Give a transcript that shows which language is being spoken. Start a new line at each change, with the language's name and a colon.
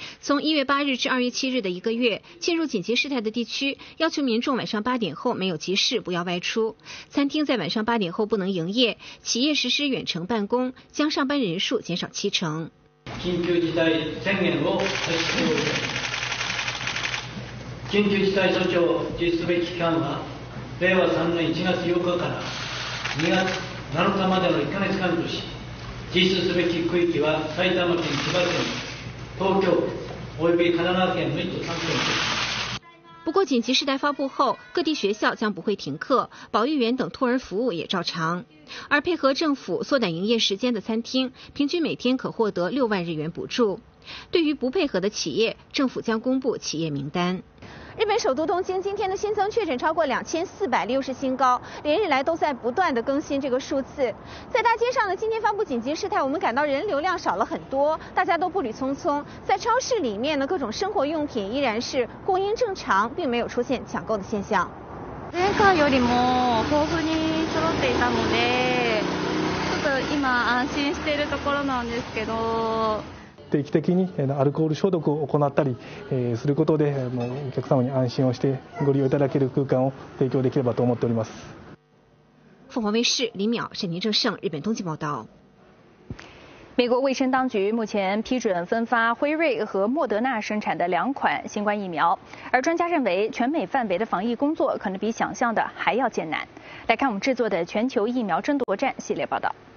Chinese: 从1月8日至2月7日的1个月，进入紧急事态的地区要求民众晚上8点后没有急事不要外出，餐厅在晚上8点后不能营业，企业实施远程办公，将上班人数减少70%。
Japanese: 緊急事態宣言を発出。緊急事態措置を実施すべき期間は令和3年1月8日から2月7日までの1ヶ月間とし、実施すべき区域は埼玉県、千葉県、東京及び神奈川県の1都3県です。
Chinese: 不过紧急事态发布后，各地学校将不会停课，保育员等托儿服务也照常。而配合政府缩短营业时间的餐厅，平均每天可获得6万日元补助。对于不配合的企业，政府将公布企业名单。日本首都东京今天的新增确诊超过2460新高，连日来都在不断的更新这个数字。在大街上呢，今天发布紧急事态，我们感到人流量少了很多，大家都步履匆匆。在超市里面呢，各种生活用品依然是供应正常，并没有出现抢购的现象。
Japanese: 前回よりも豊富に揃っていたので、ちょっと今安心しているところなんですけど。定期的にアルコール消毒を行ったりすることで、お客様に安心をしてご利用いただける空間を提供できればと思っております。
Chinese: 凤凰卫视李淼、沈宁正胜、日本东京报道。美国卫生当局目前批准分发辉瑞和莫德纳生产的两款新冠疫苗，而专家认为，全美范围的防疫工作可能比想象的还要艰难。来看我们制作的全球疫苗争夺战系列报道。